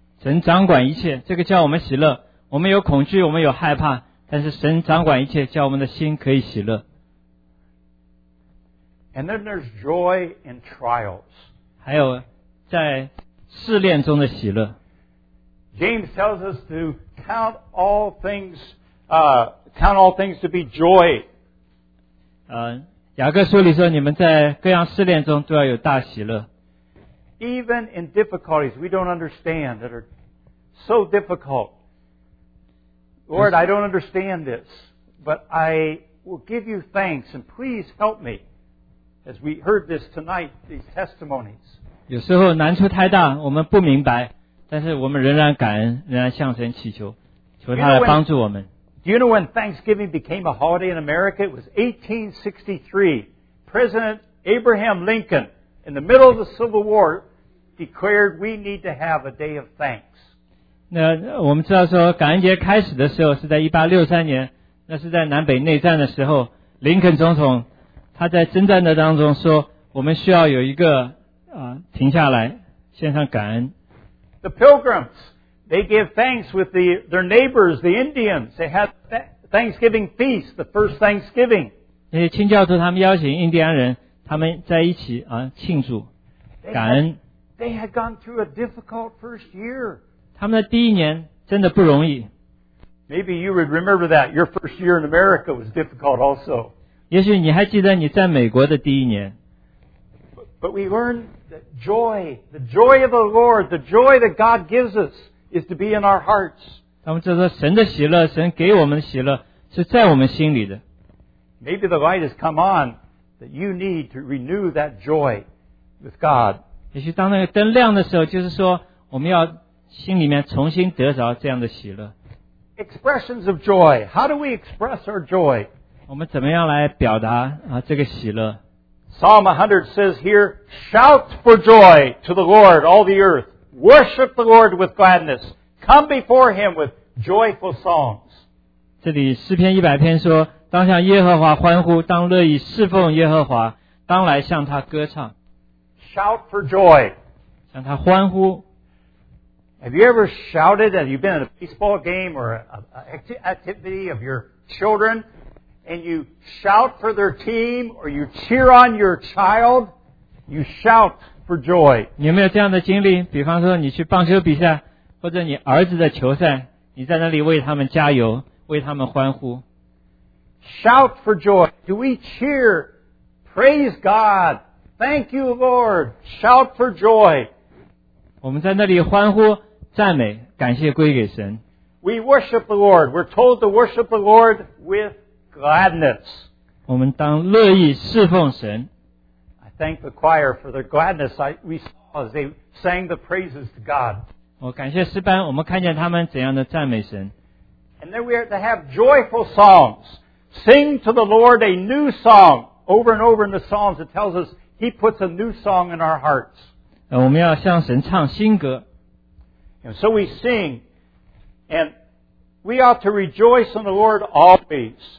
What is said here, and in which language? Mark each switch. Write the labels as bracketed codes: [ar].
[zh] 神掌管一切，这个叫我们喜乐。我们有恐惧，我们有害怕，但是神掌管一切，叫我们的心可以喜乐。 [en] And then there's joy in trials. [zh] 还有在试炼中的喜乐。 [en] James tells us to count all things. Count all things to be joy. [zh] 雅各书里说，你们在各样试炼中都要有大喜乐。 [en] Even in difficulties we don't understand that are so difficult. Lord, I don't understand this, but I will give you thanks and please help me. As we heard this tonight, these testimonies. [zh] 有时候难处太大，我们不明白，但是我们仍然感恩，仍然向神祈求，求他来帮助我们。 [en] Do you know when Thanksgiving became a holiday in America? It was 1863. President Abraham Lincoln, in the middle of the Civil War, declared we need to have a day of thanks. [zh] 那我们知道说感恩节开始的时候是在1863年，那是在南北内战的时候，林肯总统他在征战的当中说我们需要有一个停下来献上感恩。 [en] The pilgrims, they give thanks with their neighbors, the Indians. They have Thanksgiving feast, the first Thanksgiving. [zh] 那些清教徒他们邀请印第安人他们在一起庆祝感恩。 [en] They had gone through a difficult first year. [zh] 他们的第一年真的不容易。 [en] Maybe you would remember that. Your first year in America was difficult also. [zh] 也许你还记得你在美国的第一年。 [en] But we learn that joy, the joy of the Lord, the joy that God gives us is to be in our hearts. [zh] 他们就说神的喜乐，神给我们的喜乐是在我们心里的。 [en] Maybe the light has come on that you need to renew that joy with God. [zh] 也许当那个灯亮的时候，就是说我们要心里面重新得着这样的喜乐。 [en] Expressions of joy. How do we express our joy? [zh] 我们怎么样来表达这个喜乐？ [en] Psalm 100 says here, "Shout for joy to the Lord, all the earth. Worship the Lord with gladness. Come before Him with joyful songs." [zh] 这里诗篇100篇说，当向耶和华欢呼，当乐意侍奉耶和华，当来向他歌唱。 [en] Shout for joy. [zh] 向他欢呼。 [en] Have you ever shouted that you've been at a baseball game or an activity of your children and you shout for their team or you cheer on your child? You shout for joy. [zh] 你有没有这样的经历？比方说你去棒球比赛或者你儿子的球赛，你在那里为他们加油，为他们欢呼。 [en] Shout for joy. Do we cheer? Praise God. Thank you, Lord. Shout for joy. [zh] 我们在那里欢呼赞美，感谢归给神。 [en] We worship the Lord. We're told to worship the Lord with gladness. [zh] 我们当乐意侍奉神。 [en] I thank the choir for their gladness. We saw as they sang the praises to God. [zh] 我感谢诗班，我们看见他们怎样的赞美神。 [en] And then we are to have joyful songs. Sing to the Lord a new song. Over and over in the Psalms, it tells us He puts a new song in our hearts. [zh] 我们要向神唱新歌。 [en] And so we sing, and we ought to rejoice in the Lord always.